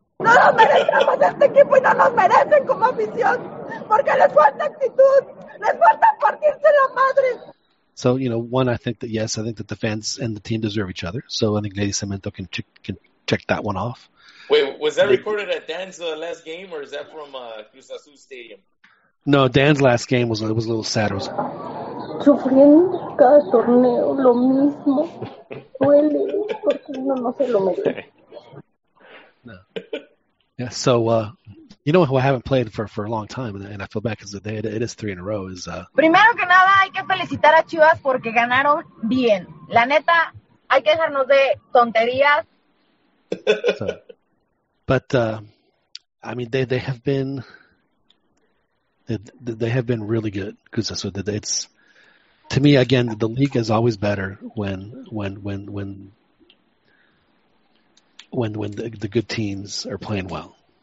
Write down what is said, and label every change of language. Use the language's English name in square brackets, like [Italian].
[Spanish] No nos merecemos este equipo y no nos merecen como afición porque les falta actitud. Les falta partirse la madre. [English] So, one, I think that yes, I think that the fans and the team deserve each other. So I think Lady Cemento can check that one off. Wait, was that recorded at Dan's last game, or is that from Cruz Azul Stadium? No, Dan's last game was a little sad. [Spanish] Sufriendo cada torneo, lo mismo. Duele, porque uno no se lo merece. No. [English] Yeah, so, you know who I haven't played for a long time, and I feel bad because it is three in a row. [Spanish] Primero que nada, hay que felicitar a Chivas porque ganaron bien. La neta, hay que dejarnos de tonterías. [English] But I mean, they have been really good. Because so it's to me again, the league is always better when the good teams are playing well.